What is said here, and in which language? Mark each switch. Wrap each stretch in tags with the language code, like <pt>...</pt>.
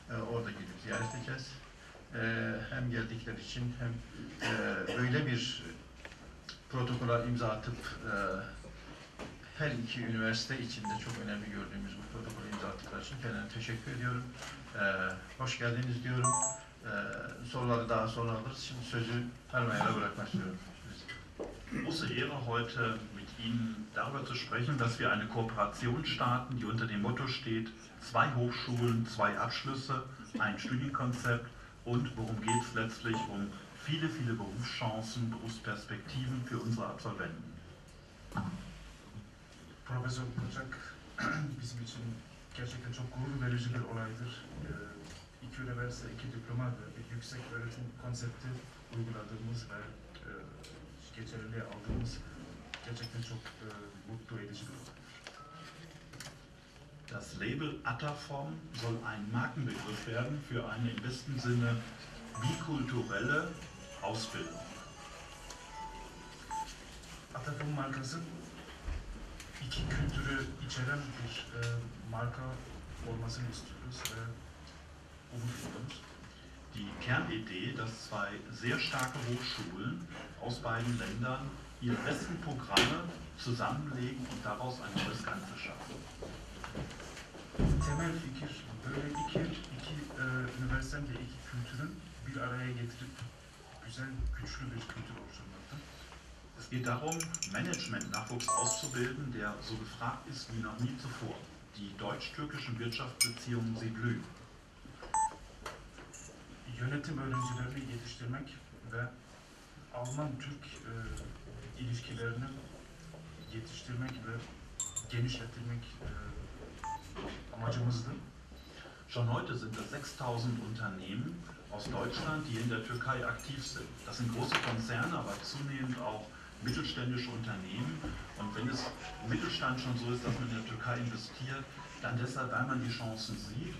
<tr>Orada gidip ziyaret edeceğiz. Hem geldikleri için hem böyle bir protokola imza atıp her iki üniversite içinde çok önemli gördüğümüz bu protokolü imza attıkları için kendilerine teşekkür ediyorum. Hoş geldiniz diyorum. Soruları daha sonra alırız. Şimdi sözü Hermeyer'e bırakmak istiyorum.</tr> <de>Große Ehre, heute mit Ihnen darüber zu sprechen, dass wir eine Kooperation starten, die unter dem Motto steht, zwei Hochschulen, zwei Abschlüsse, ein Studienkonzept und worum geht es letztlich, um viele, viele Berufschancen, Berufsperspektiven für unsere Absolventen.</de> <tr>Professor Kocak, bizim için gerçekten çok gurur verici bir olaydır. İki üniversite, iki diploma ve bir yüksek öğretim konsepti uyguladığımız ve geçerliliğe aldığımız gerçekten çok mutlu edici bir olaydır.</tr> <de>Das Label Ataform soll ein Markenbegriff werden für eine im besten Sinne bikulturelle Ausbildung.</de> <tr>Ataform markası iki kültürü içeren bir marka olmasını istiyoruz ve umutluyoruz.</tr> <de>Die Kernidee, dass zwei sehr starke Hochschulen aus beiden Ländern ihre besten Programme zusammenlegen und daraus ein neues Ganze schaffen.</de> <tr>Temel fikir, böyle iki üniversiten ve iki kültürün bir araya getirip güzel, güçlü bir kültür oluşturmaktır.</tr> <de>Es geht darum, Management-Nachwuchs auszubilden, der so gefragt ist wie noch nie zuvor. Die deutsch-türkischen Wirtschaftsbeziehungen, sie blühen.</de> <tr>Yönetim öğrencilerini yetiştirmek ve Alman-Türk ilişkilerini yetiştirmek ve genişletmek amacımızdı.</tr> <de>Schon heute sind es 6000 Unternehmen aus Deutschland, die in der Türkei aktiv sind. Das sind große Konzerne, aber zunehmend auch mittelständische Unternehmen. Und wenn es im Mittelstand schon so ist, dass man in der Türkei investiert, dann deshalb, weil man die Chancen sieht.</de>